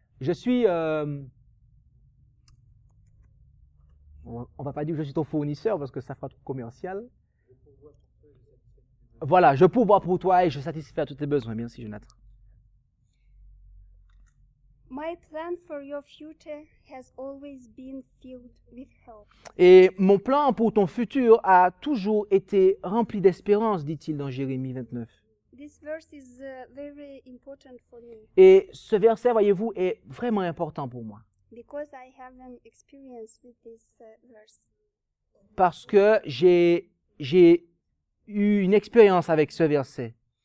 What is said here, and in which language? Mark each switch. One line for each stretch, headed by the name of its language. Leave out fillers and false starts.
French: Je suis on va pas dire que je suis ton fournisseur parce que ça fera trop commercial. Voilà, je pourvois pour toi et je satisfais à tous tes besoins. Merci, Jonathan.
English: My plan for your future has always been filled with hope.
French: Et mon plan pour ton futur a toujours été rempli d'espérance, dit-il dans Jérémie 29.
English: This verse is very important for me.
French: Et ce verset, voyez-vous, est vraiment important pour moi.
English: Because I have an experience with this verse.
French: Parce que j'ai eu une expérience avec ce verset.